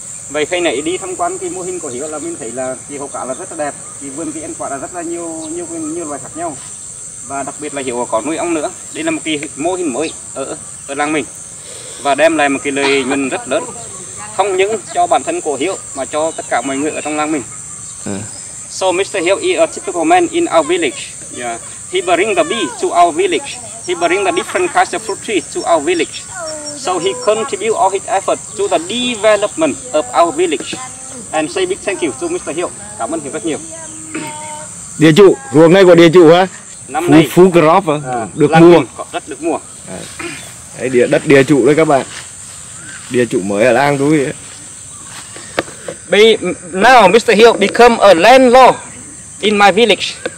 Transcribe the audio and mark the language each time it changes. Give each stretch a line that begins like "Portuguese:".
Vietnamese: Vậy khi nãy đi tham quan cái mô hình của Hiểu là mình thấy là cái hồ cá là rất là đẹp, cái vườn cái ăn quả là rất là nhiều loài khác nhau, và đặc biệt là Hiểu có nuôi ong nữa. Đây là một cái mô hình mới ở làng mình và đem lại một cái lợi nhuận rất lớn, không những cho bản thân của Hiểu mà cho tất cả mọi người ở trong làng mình.
English: So Mr. Hill is a typical man in our village. Yeah. He bring the bee to our village. He bring the different kinds of fruit trees to our village. So he contribute all his effort to the development of our village. And say big thank you to Mr. Hill.
Vietnamese: Cảm ơn Hill rất nhiều. Địa chủ, ruộng này của địa chủ hả? Năm nay
English: full crop
Vietnamese: hả? Được mua. Rất được mua. Đấy, đất địa chủ đấy các bạn. Địa chủ mới ở làng tôi.
English: Now Mr. Hill become a landlord in my village.